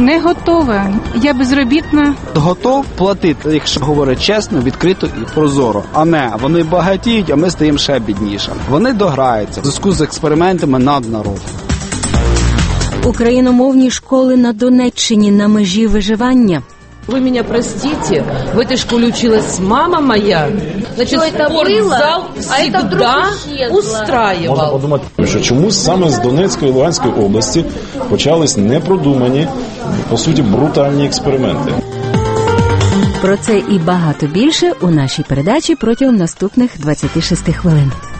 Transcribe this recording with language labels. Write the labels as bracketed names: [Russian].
[Ukrainian] Не готова, я безробітна. Готов платити, якщо говорить чесно, відкрито і прозоро. А не, вони багатіють, а ми стаємо ще біднішими. Вони дограються в зв'язку з експериментами над народом. Україномовні школи на Донеччині на межі виживання. Ви мене простите, [Russian] в этой школе училась мама моя. Значит, спортзал всегда устраивал. Можно подумать, что [Ukrainian] чему саме з Донецької і Луганської області почались непродумані, по суті, брутальні експерименти. Про це і багато більше у нашій передачі протягом наступних 26 хвилин.